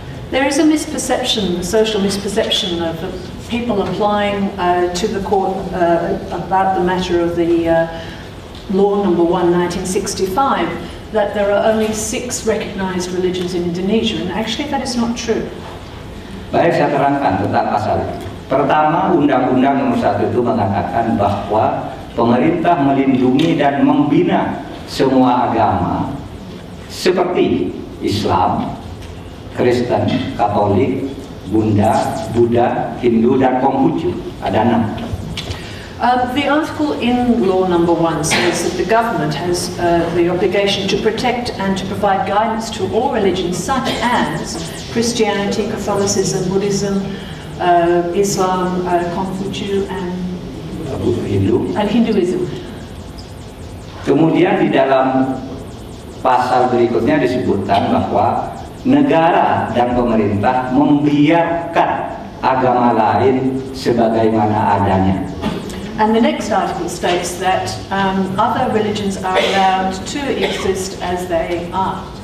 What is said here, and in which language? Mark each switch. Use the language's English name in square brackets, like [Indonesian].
[English] There is a misperception, a social misperception of people applying to the court about the matter of the law number 1, 1965, that there are only 6 recognized religions in Indonesia, and actually that is not true. [Indonesian] Baik, saya terangkan tentang pasal itu. Pertama, Undang-Undang Nomor 1 itu mengatakan bahwa pemerintah melindungi dan membina semua agama seperti Islam, Kristen, Katolik, Bunda, Buddha, Hindu, dan Konghucu. Ada 6. [English] The article in law number 1 says that the government has the obligation to protect and to provide guidance to all religions such as Christianity, Catholicism, Buddhism, Islam, Konghucu, and [Indonesian] Hindu. [English] And Hinduism. [Indonesian] Kemudian di dalam pasal berikutnya disebutkan bahwa negara dan pemerintah membiarkan agama lain sebagaimana adanya. [English] And the next article states that other religions are allowed to exist as they are.